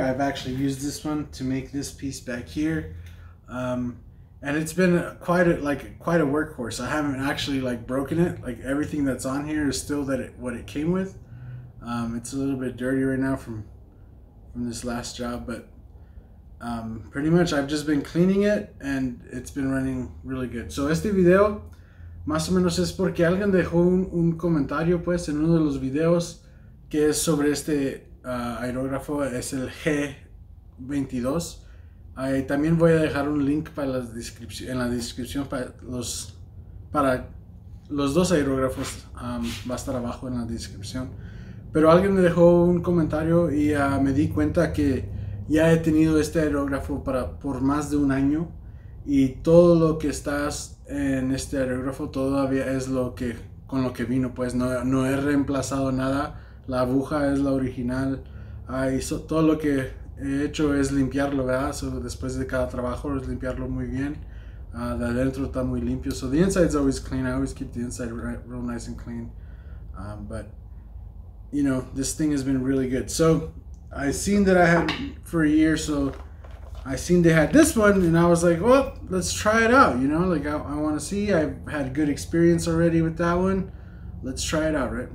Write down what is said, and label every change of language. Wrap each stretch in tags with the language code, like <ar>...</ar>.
<en>I've actually used this one to make this piece back here. And it's been quite a workhorse. I haven't actually, like, broken it. Like, everything that's on here is still what it came with. It's a little bit dirty right now from this last job. But pretty much I've just been cleaning it, and it's been running really good.</en> <es>So, este video... Más o menos es porque alguien dejó un comentario pues en uno de los videos que es sobre este aerógrafo, es el G22. También voy a dejar un link para la descripción, en la descripción para los dos aerógrafos, va a estar abajo en la descripción. Pero alguien me dejó un comentario y me di cuenta que ya he tenido este aerógrafo por más de un año. Y todo lo que estás en este aerógrafo todavía es lo que con lo que vino, pues no he reemplazado nada. La aguja es la original. Todo lo que he hecho es limpiarlo, ¿verdad? So, después de cada trabajo es limpiarlo muy bien. De adentro está muy limpio.</es> <en>So the inside is always clean. I always keep the inside real nice and clean. But you know, this thing has been really good. So I seen that I had for a year, so I seen they had this one, and I was like, well, let's try it out, you know, like, I want to see, I've had good experience already with that one, let's try it out, right?</en>